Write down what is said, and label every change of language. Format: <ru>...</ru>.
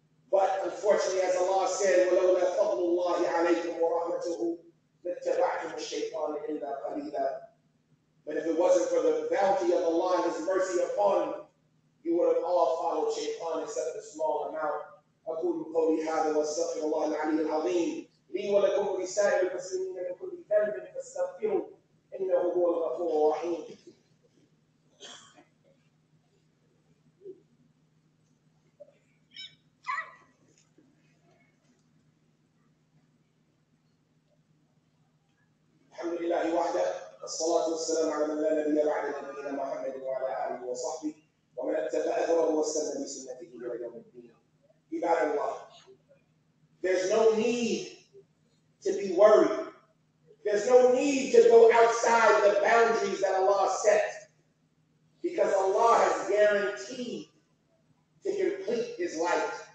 <en>But unfortunately, as Allah said,</en> <ar>وَلَوْلَا فَضْلُ اللَّهِ عَلَيْكُمْ وَرَحْمَتُهُ لَاتَّبَعْتُمُ الشَّيْطَانَ إِلَّا قَلِيلًا.</ar> <en>But if it wasn't for the bounty of Allah and His mercy upon you, you would have all followed Shaytan except a small amount.</en> <ar>أَقُولُ قَوْلِي هَذَا وَاسْتَغْفِرُ اللَّهَ الْعَلِيَّ الْعَظِيمَ لِي وَلَكُمْ وَلِسَائِرِ الْمُسْلِمِينَ مِنْ كُلِّ ذَنْبٍ فَاسْتَغْفِرُوهُ إِنَّهُ هُوَ الْغَفُورُ الرَّحِيمُ. الحمد لله وحده، الصلاة والسلام على من لا نبي بعد نبينا محمد وعلى آله وصحبه ومن اتبع أثره واستنى بسنته إلى يوم الدين. عباد الله،</ar> <en>there's no need to be worried. There's no need to go outside the boundaries that Allah set, because Allah has guaranteed to complete His light.</en>